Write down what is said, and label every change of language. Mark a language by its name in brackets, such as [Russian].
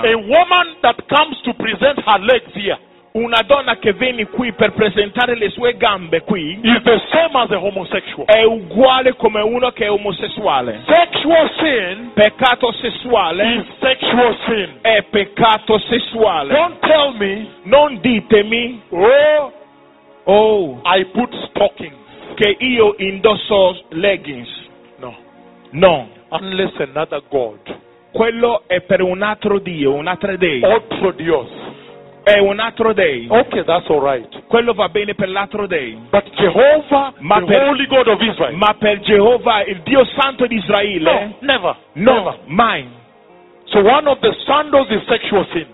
[English] A woman that comes to present her legs here, [Italian] una donna che viene qui per presentare le sue gambe qui, [English] is the same as a homosexual, [Italian] è uguale come uno che è omosessuale. [English] Sexual sin, [Italian] peccato sessuale, [English] is sexual sin, [Italian] è peccato sessuale. [English] Don't tell me, [Italian] non ditemi, [English] oh, I put stockings, [Italian] che io indosso leggings. [English] No. [Italian] No. [English] Unless another God. [Italian] Quello è per un altro Dio, un altro Dei. [Spanish] Otro Dios. [Italian] È un altro Dei. [English] Okay, that's all right. [Italian] Quello va bene per l'altro Dei. [English] But Jehovah, ma the Holy God of Israel. [Italian] Ma per Jehovah, il Dio Santo di Israele. [English] No, never. [Italian] No, [English] never. Mine. So one of the sandals is sexual sin.